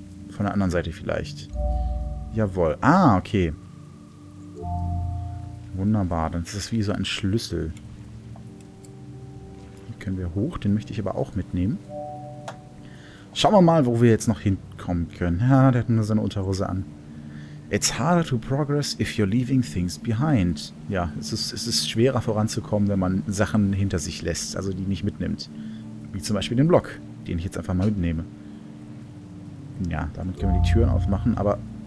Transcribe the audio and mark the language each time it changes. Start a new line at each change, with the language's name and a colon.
German: Von der anderen Seite vielleicht. Jawohl. Ah, okay. Wunderbar, dann ist das wie so ein Schlüssel. Hier können wir hoch, den möchte ich aber auch mitnehmen. Schauen wir mal, wo wir jetzt noch hinkommen können. Ja, der hat nur seine Unterhose an.
English: It's harder to progress if you're leaving things behind.
German: Ja, es ist schwerer voranzukommen, wenn man Sachen hinter sich lässt, also die nicht mitnimmt. Wie zum Beispiel den Block, den ich jetzt einfach mal mitnehme. Ja, damit können wir die Türen aufmachen, aber...